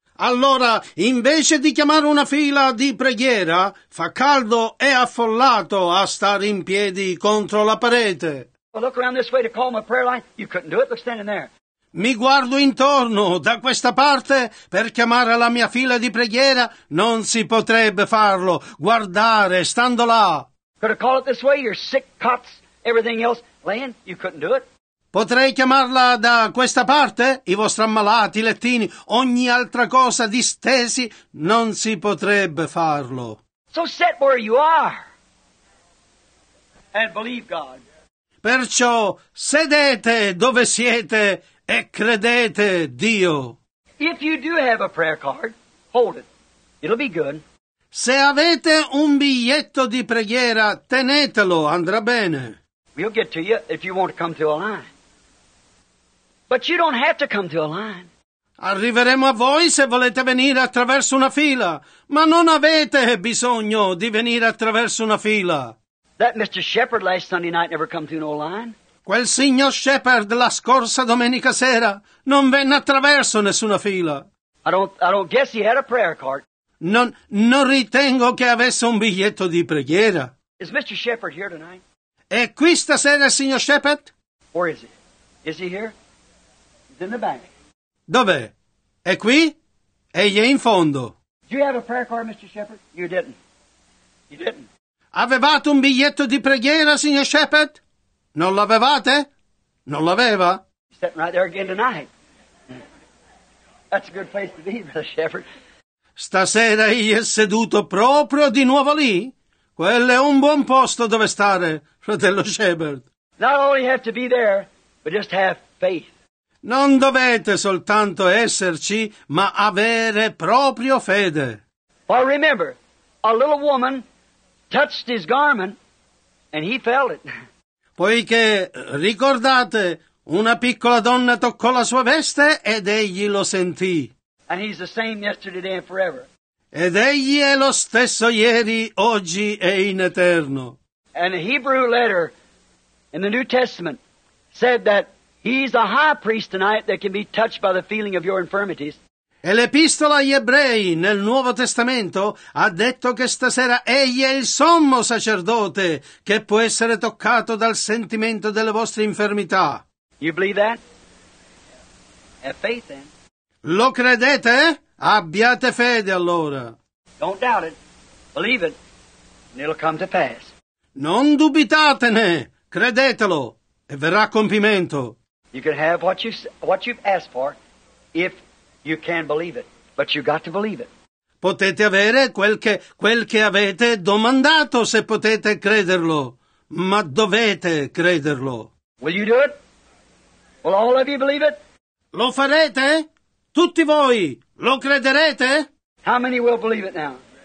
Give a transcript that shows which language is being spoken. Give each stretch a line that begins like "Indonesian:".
Italian: Allora, invece di chiamare una fila di preghiera, fa caldo e affollato a stare in piedi contro la parete.
English: Well, look around this way to call my prayer line. You couldn't do it. Look standing there.
Italian: Mi guardo intorno, da questa parte, per chiamare la mia fila di preghiera, non si potrebbe farlo, guardare, stando là.
English: Could I call it this way, your sick cots, everything else, laying, you couldn't do it.
Italian: Potrei chiamarla da questa parte, i vostri ammalati, i lettini, ogni altra cosa distesi, non si potrebbe farlo.
English: So set where you are, and believe God.
Italian: Perciò, sedete dove siete, e credete Dio.
English: If you do have a prayer card, hold it. It'll be good.
Italian: Se avete un biglietto di preghiera, tenetelo, andrà bene.
English: We'll get to you if you want to come to a line. But you don't have to come to a line.
Italian: Arriveremo a voi se volete venire attraverso una fila, ma non avete bisogno di venire attraverso una fila.
English: That Mr. Shepherd last Sunday night never come through no line.
Italian: Quel signor Shepherd la scorsa domenica sera non venne attraverso nessuna fila.
English: I don't guess he had a prayer card.
Italian: Non ritengo che avesse un biglietto di preghiera.
English: Is Mr. Shepherd here tonight?
Italian: È qui stasera il signor Shepherd?
English: Where is he? Is he here? He's in the back.
Italian: Dov'è? È qui? Egli è in fondo.
English: Do you have a prayer card, Mr. Shepherd? You didn't. You didn't.
Italian: Avevate un biglietto di preghiera, signor Shepherd? Non l'avevate? Non l'aveva?
English: Sitting right there again tonight. That's a good place to be, Brother Shepherd.
Italian: Stasera egli è seduto proprio di nuovo lì. Quello è un buon posto dove stare, fratello Shepherd.
English: Not only have to be there, but just have faith.
Italian: Non dovete soltanto esserci, ma avere proprio fede.
English: Well, remember, a little woman touched his garment and he felt it.
Italian: Poiché, ricordate, una piccola donna toccò la sua veste ed egli lo sentì.
English: And he's the same yesterday, today and forever.
Italian: Ed egli è lo stesso ieri, oggi e in eterno.
English: And a Hebrew letter in the New Testament said that he's a high priest tonight that can be touched by the feeling of your infirmities.
Italian: E l'Epistola agli Ebrei nel Nuovo Testamento ha detto che stasera egli è il sommo sacerdote che può essere toccato dal sentimento delle vostre infermità.
English: You believe that? Have faith then.
Italian: Lo credete? Abbiate fede allora.
English: Don't doubt it. Believe it. And it'll come to pass.
Italian: Non dubitatene. Credetelo. E verrà a compimento.
English: You can have what you've asked for if you can believe it, but you got to believe it.
Italian: Potete avere quel che avete domandato se potete crederlo, ma dovete crederlo.
English: Will you do it? Will all of you believe it?
Italian: Lo farete? Tutti voi lo crederete?
English: How many will believe it now?